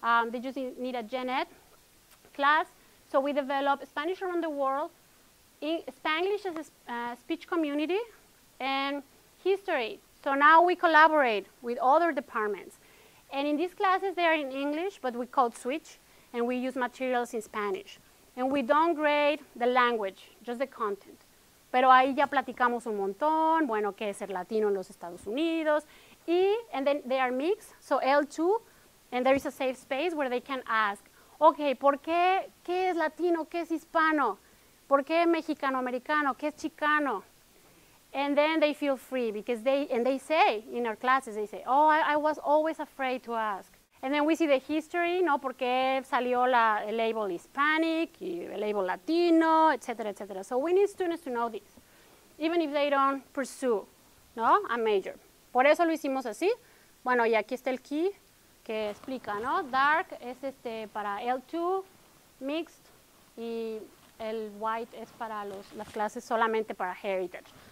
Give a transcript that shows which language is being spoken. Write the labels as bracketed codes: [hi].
[en] They just need a gen ed class. So we develop Spanish Around the World, Spanglish as a speech community, and history. So now we collaborate with other departments. And in these classes, they are in English, but we code switch, and we use materials in Spanish. And we don't grade the language, just the content. [es] Pero ahí ya platicamos un montón, bueno, qué es ser latino en los Estados Unidos. [en] Y, and then they are mixed, so L2, and there is a safe space where they can ask, okay, [es] ¿por qué? ¿Qué es latino? ¿Qué es hispano? ¿Por qué mexicano-americano? ¿Qué es chicano? [en] And then they feel free because they say in our classes, they say, oh, I was always afraid to ask. And then we see the history, ¿no? [es] ¿Por qué salió el label Hispanic, el label Latino, etc., etc.? [en] So we need students to know this, even if they don't pursue, ¿no? A major. [es] Por eso lo hicimos así. Bueno, y aquí está el key que explica, ¿no? Dark es para L2, mixed, y el white es para las clases solamente para heritage.